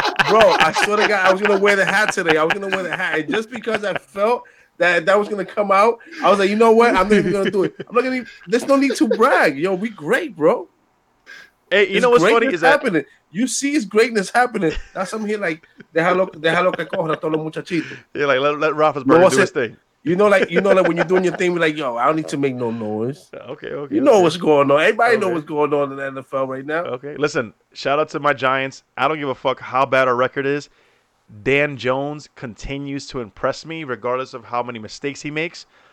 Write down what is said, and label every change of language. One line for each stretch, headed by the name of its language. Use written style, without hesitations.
English: Bro, I swear to God, I was going to wear the hat today. And just because I felt that was going to come out, I was like, you know what? I'm not even going to do it. There's no need to brag. Yo, we great, bro. Hey, you know what's funny is happening. That you see his greatness happening.
Spanish: That's something like déjalo que coja todos los muchachitos.
English: Yeah, like let Roethlisberger do his thing. You know, like when you're doing your thing, you're like, yo, I don't need to make no noise. Okay. You know what's going on. Everybody know what's going on in the NFL right now. Okay. Listen, shout out to my Giants. I don't give a fuck how bad our record is. Dan Jones continues to impress me, regardless of how many mistakes he makes.